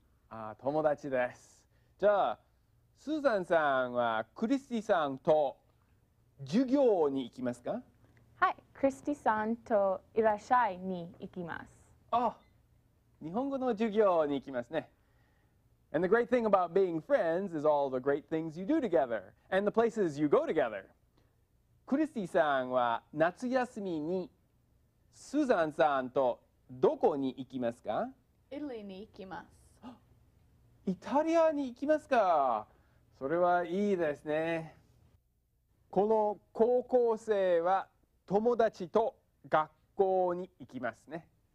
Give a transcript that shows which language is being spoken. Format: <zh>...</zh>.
<ja>あ、友達です。じゃあスーザンさんはクリスティさんと授業に行きますか？はい、クリスティさんといらっしゃいに行きます。あ、日本語の授業に行きますね。</ja> <en>And the great thing about being friends is all the great things you do together and the places you go together.</en> <ja>クリスティさんは夏休みにスーザンさんとどこに行きますか？イタリアに行きます。イタリアに行きますか？それはいいですね。この高校生は友達と学校に行きますね。</ja>